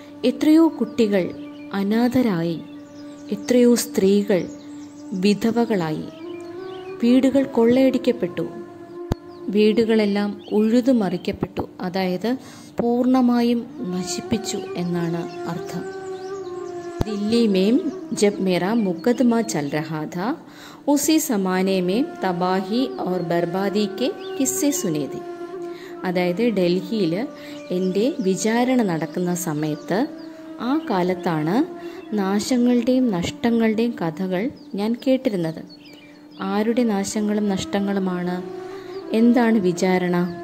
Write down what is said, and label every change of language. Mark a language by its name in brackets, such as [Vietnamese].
[Malayalam] എത്രയോ കുട്ടികൾ അനാഥരായി. എത്രയോ സ്ത്രീകൾ വിധവകളായി. വീടുകൾ കൊള്ളയടിക്കപ്പെട്ടു. വീടുകളെല്ലാം ഉഴുതു മറിക്കപ്പെട്ടു, അതായത് പൂർണ്ണമായും നശിപ്പിച്ചു എന്നാണ് അർത്ഥം. [Hindi] दिल्ली में जब मेरा मुकदमा चल रहा था, उसी समाने में तबाही और बर्बादी के किस्से सुने थे। [Malayalam] അതായത് ഡൽഹിയിൽ എൻ്റെ വിചാരണ നടക്കുന്ന സമയത്ത് ആ കാലത്താണ് നാശങ്ങളുടെയും നഷ്ടങ്ങളുടെയും കഥകൾ ഞാൻ കേട്ടിരുന്നത്. ആരുടെ നാശങ്ങളും നഷ്ടങ്ങളുമാണ്? എന്താണ് വിചാരണ?